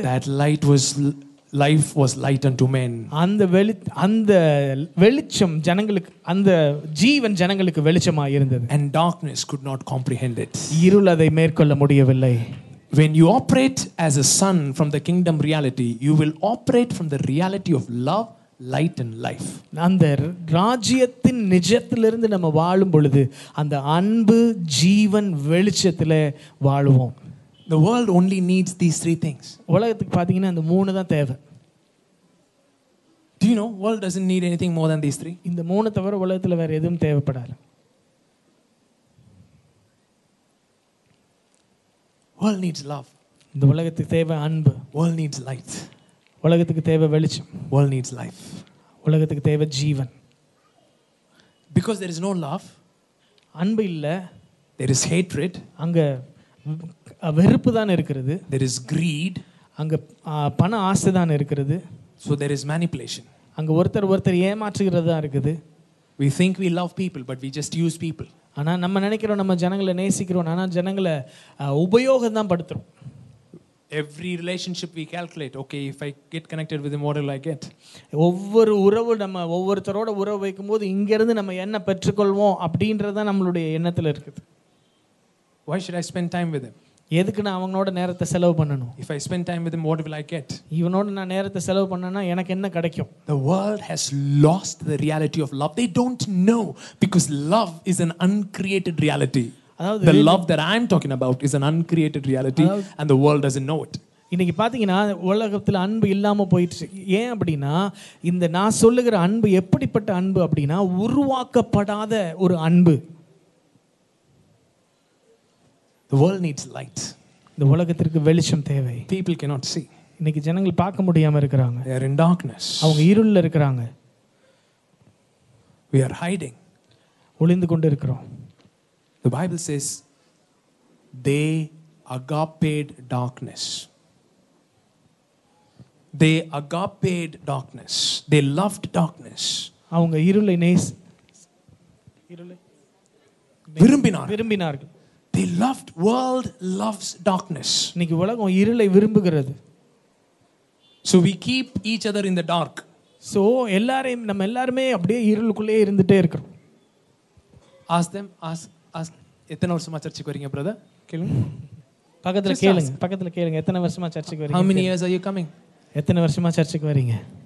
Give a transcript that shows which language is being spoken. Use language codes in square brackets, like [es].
[en] That light was life, was light unto men. [ta] அந்த வெளிச்சம் ஜனங்களுக்கு, அந்த ஜீவன் ஜனங்களுக்கு வெளிச்சமாய் இருந்தது. [en] And darkness could not comprehend it. [ta] இருள் அதை மேற்கொள்ள முடியவில்லை. [en] When you operate as a son from the kingdom reality, you will operate from the reality of love, light and life. [ta] அந்த ராஜ்யத்தின் நிஜத்திலிருந்து நம்ம வாழும் பொழுது அந்த அன்பு ஜீவன் வெளிச்சத்திலே வாழுவோம். [en] The world only needs these three things. [ta] உலகத்துக்கு பாத்தீங்கன்னா இந்த மூணு தான் தேவை. [en] Do you know, world doesn't need anything more than these three. [ta] இந்த மூணு தவிர உலகத்துல வேற எதுவும் தேவைப்படாது. [en] World needs love. [ta] இந்த உலகத்துக்கு தேவை அன்பு. [en] World needs light. [ta] உலகத்துக்கு தேவை வெளிச்சம். [en] World needs life. [ta] உலகத்துக்கு தேவை ஜீவன். [en] Because there is no love, [ta] அன்பு இல்ல, [en] there is hatred, [ta] அங்க வெறுப்பு தான் இருக்கிறது. [en] There is greed, [ta] அங்க பண ஆசை தான் இருக்கிறது. [en] So there is manipulation, [ta] அங்க ஒருத்தர் ஏமாற்றுகிறது தான் இருக்குது. [en] We think we love people but we just use people. [ta] ஆனா நம்ம நினைக்கிறோம் நம்ம ஜனங்களை நேசிக்கிறோம், ஆனா ஜனங்களை உபயோகம் தான் படுத்துறோம். [en] Every relationship we calculate, okay, if I get connected with him, what will I get? [ta] ஒவ்வொரு உறவு நம்ம ஒவ்வொருத்தரோட உறவு வைக்கும்போது இங்க இருந்து நம்ம என்ன பெற்றுக்கொள்வோம் அப்படின்றது நம்மளுடைய எண்ணத்துல இருக்குது. [en] Why should I spend time with him? [ta] எதுக்கு நான் அவங்களோட நேரத்தை செலவு பண்ணணும்? [en] If I spend time with him, what will I get? [ta] இவனோட நான் நேரத்தை செலவு பண்ணனா எனக்கு என்ன கிடைக்கும்? [en] The world has lost the reality of love. They don't know because love is an uncreated reality. [ta] அதாவது [en] the love that I'm talking about is an uncreated reality and the world doesn't know it. [ta] இன்னைக்கு பாத்தீங்கன்னா உலகத்துல அன்பு இல்லாம போயிடுச்சு. ஏன் அப்படினா இந்த நான் சொல்லுகிற அன்பு எப்படிப்பட்ட அன்பு அப்படினா உருவாக்கப்படாத ஒரு அன்பு. [en] The world needs light. [ta] The உலகத்திற்கு வெளிச்சம் தேவை. [en] People cannot see. [ta] இன்னைக்கு ஜனங்கள் பார்க்க முடியாம இருக்காங்க. [en] They are in darkness. [ta] அவங்க இருளில் இருக்காங்க. [en] We are hiding. [ta] ஒளிந்து கொண்டு இருக்கிறோம். [en] The Bible says they agaped darkness. They agaped darkness. They loved darkness. [ta] அவங்க இருளை நேஸ் விரும்பினார்கள். [en] They loved, world loves darkness. [ta] இன்னைக்கு உலகம் இருளை விரும்புகிறது. [en] So we keep each other in the dark. [ta] So எல்லாரையும் நம்ம எல்லாருமே அப்படியே இருளுக்குள்ளே இருந்துட்டே இருக்கிறோம். [en] Ask them, ask [ta] எத்தனை வருஷமா சர்ச்சுக்கு வரீங்க பிரதர்? பக்கத்துல கேளுங்க எத்தனை வருஷமா சர்ச்சுக்கு வரீங்க? [en] How many years are you coming? [ta] எத்தனை வருஷமா சர்ச்சுக்கு வரீங்க?